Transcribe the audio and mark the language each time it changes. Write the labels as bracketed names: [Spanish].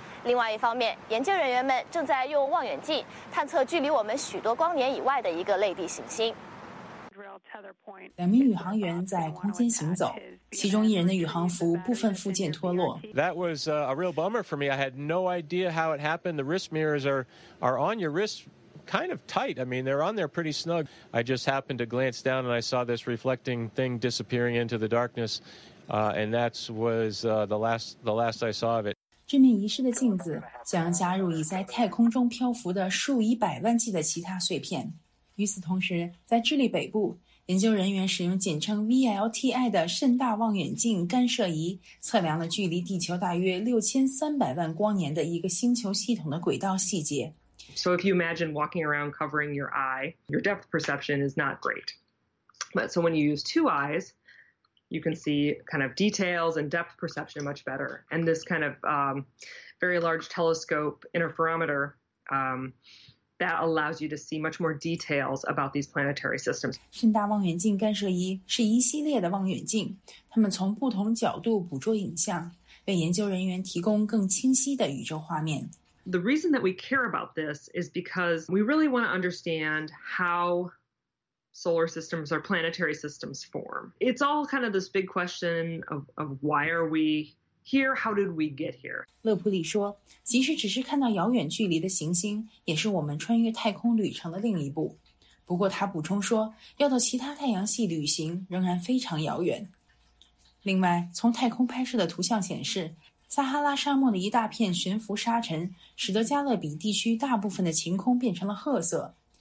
[Chinese] 另外一方面，研究人员们正在用望远镜探测距离我们许多光年以外的一个类地行星。两名宇航员在空间行走，其中一人的宇航服部分附件脱落。 [English] That was a real bummer for me. I had no idea how it happened. The wrist mirrors are on your wrist, kind of tight. I mean, they're on there pretty snug. I just happened to glance down and I saw this reflecting thing disappearing into the darkness, and that was the last I saw of it. [Chinese] 这面遗失的镜子将加入已在太空中漂浮的数以百万计的其他碎片。与此同时，在智利北部，研究人员使用简称 VLTI 的甚大望远镜干涉仪测量了距离地球大约6300万光年的一个星球系统的轨道细节。 [English] So if you imagine walking around covering your eye, your depth perception is not great. But so when you use two eyes, you can see kind of details and depth perception much better. And this kind of very large telescope interferometer. That allows you to see much more details about these planetary systems. [Chinese] 甚大望远镜干涉仪是一系列的望远镜，它们从不同角度捕捉影像，为研究人员提供更清晰的宇宙画面。 [English] The reason that we care about this is because we really want to understand how solar systems or planetary systems form. It's all kind of this big question of why are we here? How did we get here? [Chinese] 勒普里说。即使只是看到遥远距离的行星，也是我们穿越太空旅程的另一步。不过他补充说，要到其他太阳系旅行仍然非常遥远。另外，从太空拍摄的图像显示，撒哈拉沙漠的一大片悬浮沙尘，使得加勒比地区大部分的晴空变成了褐色。